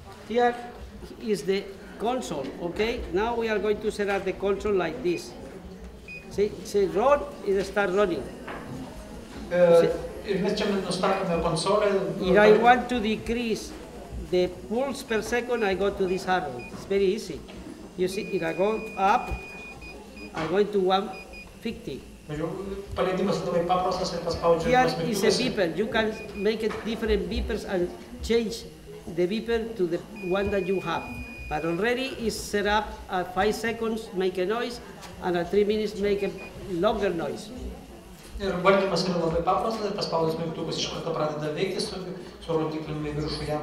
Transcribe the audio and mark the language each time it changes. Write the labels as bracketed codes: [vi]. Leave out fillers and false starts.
[en] Here is the console, okay? Now we are going to set up the console like this. Say run, it start running. [lt] Ir mes čia nustatome konsolę. [en] If I want to decrease the pulse per second, I go to this arrow. It's very easy. You see, if I go up, I'm going to 150. Here is a beeper. You can make it different beepers and change the beeper to the one that you have. But already it's set up at 5 seconds, make a noise, and at 3 minutes, make a longer noise. [lt] Ir valdymas yra labai paprastas, ir paspaudus mygtukus iš karto pradeda veikti su rodiklimi viršuje.